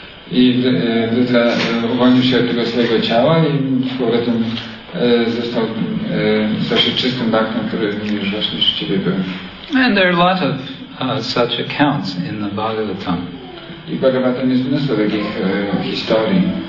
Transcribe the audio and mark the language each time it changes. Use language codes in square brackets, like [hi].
[pl] I Vritra uwolnił się od tego swojego ciała i z powrotem został się czystym baktem, który już właśnie rzeczywiście był. [en] And there are a lot of such accounts in the Bhagavatam. [pl] I Bhagavatam jest mnóstwo takich historii.